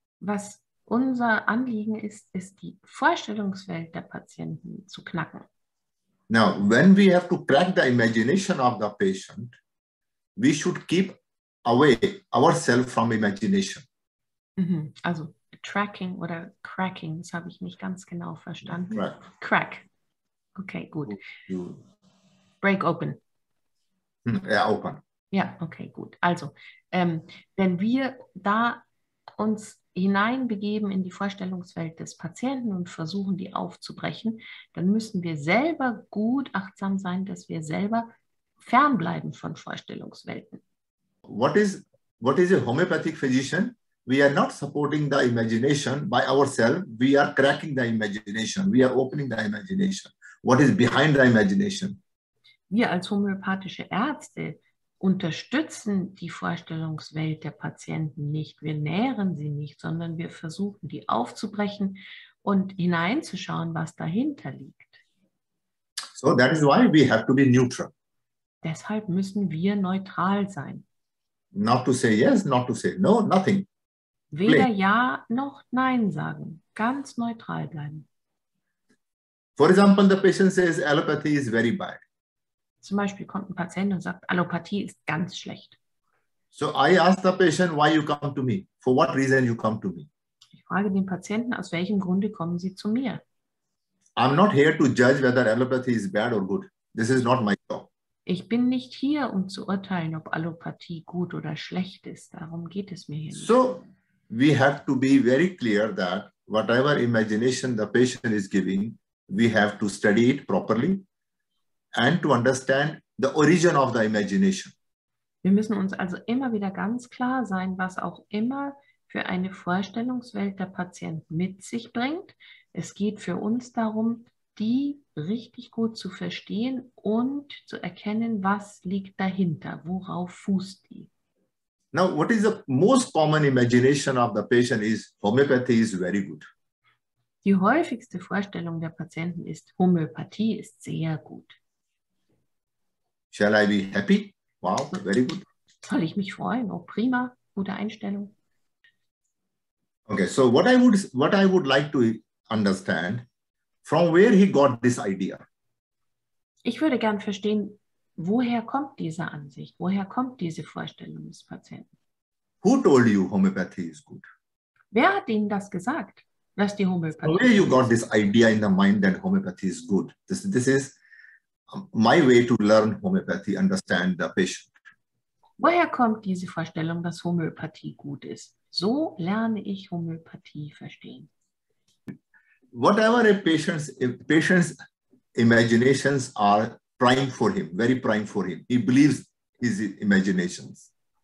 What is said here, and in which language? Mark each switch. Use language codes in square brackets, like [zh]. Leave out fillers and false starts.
[de] Was unser Anliegen ist, ist die Vorstellungswelt der Patienten zu knacken. [en] Now, when we have to crack the imagination of the patient, we should keep away ourselves from imagination. Mm-hmm. [de] Also tracking oder cracking, das habe ich nicht ganz genau verstanden. [en] Crack. Okay, gut. Break open. [de] Ja, open. Ja, okay, gut. Also, wenn wir da uns hineinbegeben in die Vorstellungswelt des Patienten und versuchen, die aufzubrechen, dann müssen wir selber gut achtsam sein, dass wir selber fernbleiben von Vorstellungswelten. [en] What is a homeopathic physician? We are not supporting the imagination by ourselves. We are cracking the imagination. We are opening the imagination. What is behind the imagination? [de] Wir als homöopathische Ärzte unterstützen die Vorstellungswelt der Patienten nicht. Wir nähren sie nicht, sondern wir versuchen, die aufzubrechen und hineinzuschauen, was dahinter liegt. [en] So that is why we have to be neutral. [de] Deshalb müssen wir neutral sein. [en] Not to say yes, not to say no, nothing. [de] Weder ja noch nein sagen. Ganz neutral bleiben. [en] For example, the patient says allopathy is very bad. [de] Zum Beispiel kommt ein Patient und sagt, Allopathie ist ganz schlecht. [en] So I ask the patient, why you come to me? For what reason you come to me? [de] Ich frage den Patienten, aus welchem Grunde kommen Sie zu mir? [en] I'm not here to judge whether allopathy is bad or good. This is not my job. [de] Ich bin nicht hier, um zu urteilen, ob Allopathie gut oder schlecht ist. Darum geht es mir hier nicht. [en] So we have to be very clear that whatever imagination the patient is giving, we have to study it properly and to understand the origin of the imagination. [de] Wir müssen uns also immer wieder ganz klar sein, was auch immer für eine Vorstellungswelt der Patient mit sich bringt. Es geht für uns darum, die richtig gut zu verstehen und zu erkennen, was liegt dahinter, worauf fußt die. [en] Now, what is the most common imagination of the patient is homeopathy is very good. [de] Die häufigste Vorstellung der Patienten ist, Homöopathie ist sehr gut. [en] Shall I be happy? Wow, very good. [de] Soll ich mich freuen? Oh, prima, gute Einstellung. [en] Okay, so what I would like to understand, from where he got this idea? [de] Ich würde gern verstehen, woher kommt diese Ansicht? Woher kommt diese Vorstellung des Patienten? [en] Who told you homeopathy is good? [de] Wer hat Ihnen das gesagt, dass die Homöopathie? [en] Where you got this idea in the mind that homeopathy is good? This is my way to learn homeopathy, understand the patient. [de] Woher kommt diese Vorstellung, dass Homöopathie gut ist? So lerne ich Homöopathie verstehen. [en] Whatever a patient's imaginations are prime for him, very prime for him. He believes his imaginations.